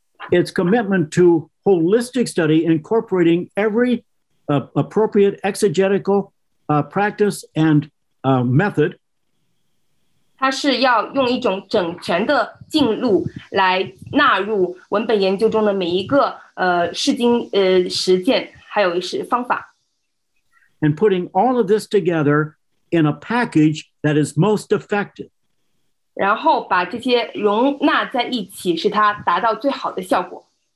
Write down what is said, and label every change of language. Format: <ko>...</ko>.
<en>Its commitment to holistic study, incorporating every appropriate exegetical practice and method.</en> <zh>它是要用一种整全的进路来纳入文本研究中的每一个释经实践，还有是方法。</zh> <en>And putting all of this together in a package that is most effective.</en> <zh>然后把这些容纳在一起，使它达到最好的效果。</zh>